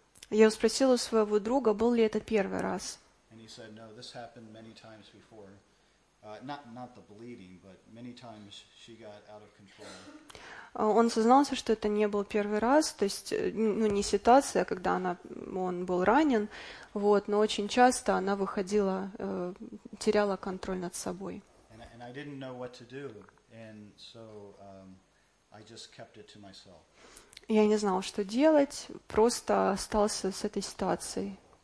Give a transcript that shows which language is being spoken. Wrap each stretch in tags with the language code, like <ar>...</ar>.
<ru>Я спросил у своего друга, был ли это первый раз.</ru> <en>And he said, no, this happened many times before. Not the bleeding, but many times she got out of control.</en> <ru>Он сознался, что это не был первый раз, то есть, ну, не ситуация, когда он был ранен, вот, но очень часто она выходила, теряла контроль над собой.</ru> <en>And I didn't know what to do, and so I just kept it to myself.</en> <ru>Я не знал, что делать, просто остался с этой ситуацией.</ru>